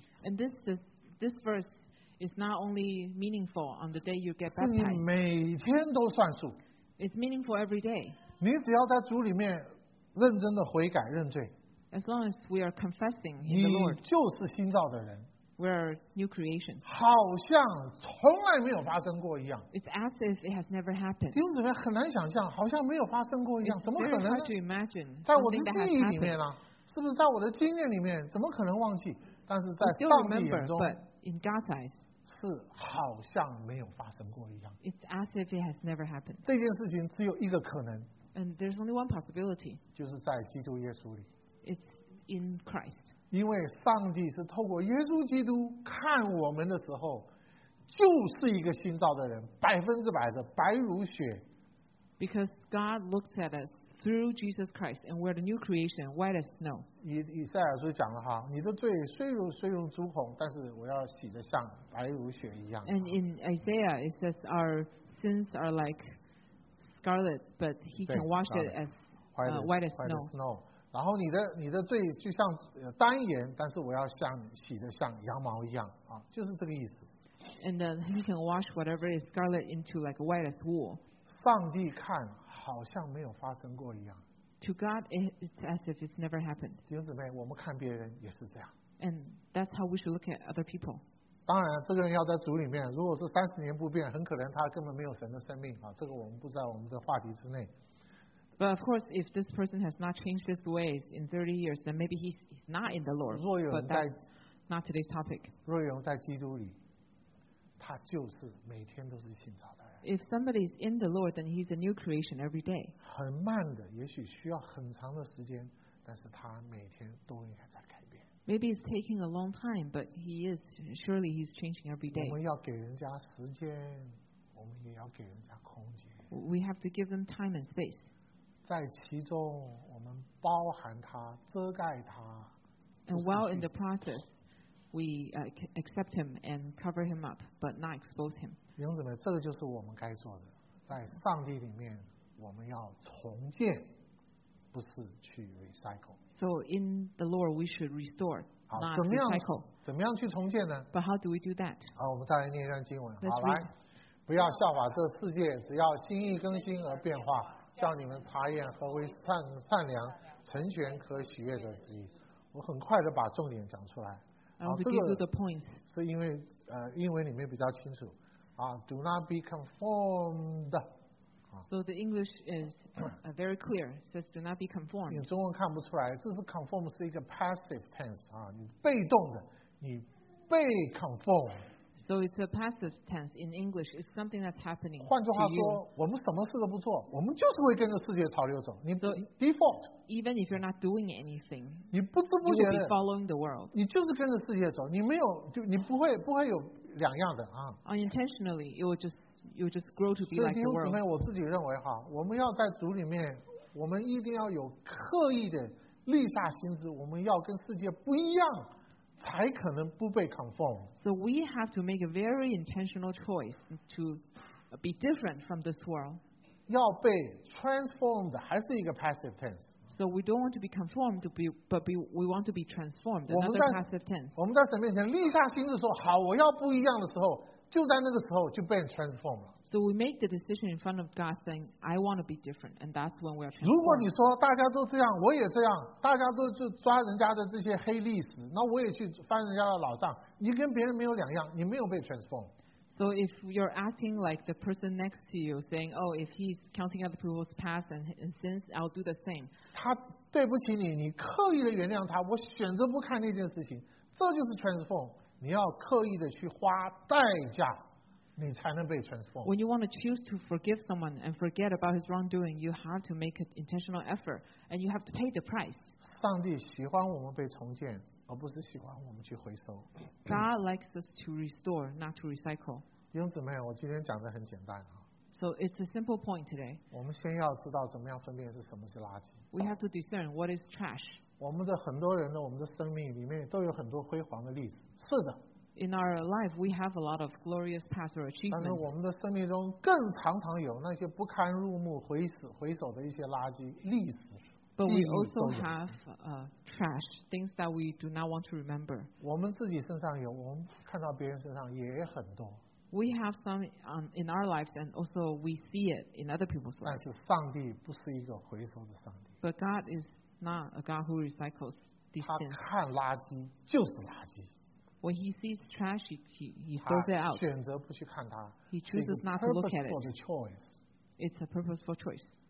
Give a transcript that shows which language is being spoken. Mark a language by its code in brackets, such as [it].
[en] And this verse is not only meaningful on the day you get baptized. [zh] 是你每天都算数。 [en] It's meaningful every day. [zh] 你只要在主里面认真的悔改认罪。 [en] As long as we are confessing in the Lord. [zh] 你就是新造的人。 [en] We are new creations. [zh] 好像从来没有发生过一样。 [en] It's as if it has never happened. [zh] 弟兄姊妹很难想象,好像没有发生过一样,怎么可能呢? [en] It's very hard to imagine. [zh] 在我的记忆里面啊, 是不是在我的经验里面怎么可能忘记，但是在上帝眼中 [en] but in God's eyes [zh] 是好像没有发生过一样。 [en] It's as if it has never happened. [zh] 这件事情只有一个可能。 [en] And there's only one possibility. [zh] 就是在基督耶稣里。 [en] It's in Christ. [zh] 因为上帝是透过耶稣基督看我们的时候，就是一个新造的人，百分之百的白如雪。 [en] Because God looks at us through Jesus Christ, and we're the new creation, white as snow. [zh] 以赛亚书讲了哈，你的罪虽如朱红，但是我要洗得像白如雪一样。 [en] And in Isaiah, it says our sins are like scarlet, but He can wash it as white as snow. [zh] 然后你的罪就像丹颜，但是我要像洗得像羊毛一样啊，就是这个意思。 [en] And He can wash whatever is scarlet into like white as wool. [zh] 上帝看。好像没有发生过一样。 [en] To God, it's as if it's never happened. [zh] 弟兄姊妹，我们看别人也是这样。 [en] And that's how we should look at other people. [zh] 当然，这个人要在主里面，如果是三十年不变，很可能他根本没有神的生命啊。这个我们不在我们的话题之内。 [en] But of course, if this person has not changed his ways in 30 years, then maybe he's not in the Lord. [zh] 若有人在 [en] not today's topic. [zh] 若有人在基督里，他就是每天都是新造的。 [en] If somebody is in the Lord, then he's a new creation every day. [zh] 很慢的，也许需要很长的时间，但是他每天都应该在改变。 [en] Maybe it's taking a long time, but he is surely he's changing every day. [zh] 我们要给人家时间，我们也要给人家空间。 [en] We have to give them time and space. [zh] 在其中，我们包含他，遮盖他。 [en] And while in the process, we accept him and cover him up, but not expose him. [zh] 弟兄姊妹，这个就是我们该做的。在上帝里面，我们要重建，不是去 recycle。 [en] So in the Lord, we should restore, not recycle. [zh] 好，怎么样去重建呢 [en] ？But how do we do that? [zh] 好，我们再来念一段经文。 [en] Let's、 [zh] 好，来，不要效法这世界，只要心意更新而变化，叫你们查验何为善良、成全和喜悦的旨意。我很快的把重点讲出来。 [en] I'll give you the points. [zh] 是因为英文里面比较清楚。 [en] Do not be conformed. So the English is very clear. It says do not be conformed. [zh] 你中文看不出来，这是 conform 是一个 passive tense 啊，你被动的，你被 conform. [en] So it's a passive tense in English. It's something that's happening. [zh] 换句话说，我们什么事都不做，我们就是会跟着世界潮流走。你 default. [en] Even if you're not doing anything, [zh] 你不知不觉 [en] you will be following the world. [zh] 你就是跟着世界走，你没有就你不会有。两样的啊 [en] ，unintentionally, you just grow to be like the world. [zh] 弟兄姊妹，我自己认为哈，我们要在主里面，我们一定要有刻意的立下心志，我们要跟世界不一样，才可能不被 conform. [en] So we have to make a very intentional choice to be different from this world. [zh] 要被 transformed 还是一个 passive tense? [en] So we don't want to be conformed, we want to be transformed. Another passive tense. [zh] 我们在神面前立下心志说好，我要不一样的时候，就在那个时候就被 transformed 了。 [en] So we make the decision in front of God, saying, "I want to be different," and that's when we are transformed. [zh] 如果你说大家都这样，我也这样，大家都就抓人家的这些黑历史，那我也去翻人家的老账，你跟别人没有两样，你没有被 transformed。 [en] So if you're acting like the person next to you, saying, "Oh, if he's counting other people's past and sins, I'll do the same." [zh] 他对不起你，你刻意的原谅他，我选择不看那件事情，这就是 transform. 你要刻意的去花代价，你才能被 transform. [en] When you want to choose to forgive someone and forget about his wrongdoing, you have to make an intentional effort and you have to pay the price. [zh] 上帝喜欢我们被重建。而不是喜欢我们去回收。 [en] God likes us to restore, not to recycle. [zh] 弟兄姊妹，我今天讲的很简单啊。 [en] So it's a simple point today. [zh] 我们先要知道怎么样分辨是什么是垃圾。 [en] We have to discern what is trash. [zh] 我们的很多人呢，我们的生命里面都有很多辉煌的例子。是的。 [en] In our life, we have a lot of glorious past or achievements. [zh] 但是我们的生命中更常常有那些不堪入目、回首的一些垃圾历史。 [en] But we also have trash, things that we do not want to remember. [zh] 我们自己身上有，我们看到别人身上也很多。 [en] We have some in our lives, and also we see it in other people's lives. [zh] 但是上帝不是一个回收的上帝。 [en] But God is not a God who recycles these things. [zh] 他看垃圾就是垃圾。 [en] When he sees trash, he throws it out. [zh] 他选择不去看它。 [en] He chooses not to look at it. Choice. It's a purposeful choice.